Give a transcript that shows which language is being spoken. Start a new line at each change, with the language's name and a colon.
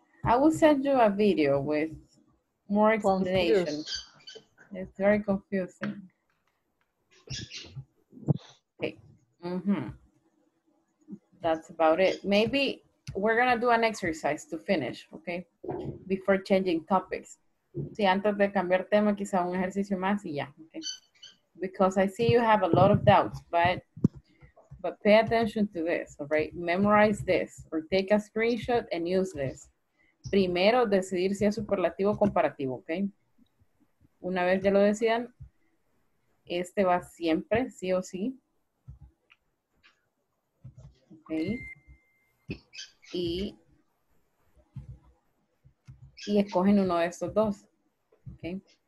English: I will send you a video with more explanation. It's very confusing. Okay. Mm-hmm. That's about it. Maybe we're going to do an exercise to finish, okay? Before changing topics.
Spanish: Sí, antes de cambiar tema, quizá un ejercicio más y ya, okay?
English: because I see you have a lot of doubts, but pay attention to this, all right? Memorize this or take a screenshot and use this.
Spanish: Primero, decidir si es superlativo o comparativo, okay? Una vez ya lo decidan, este va siempre, sí o sí. Okay. Y escogen uno de estos dos. Okay.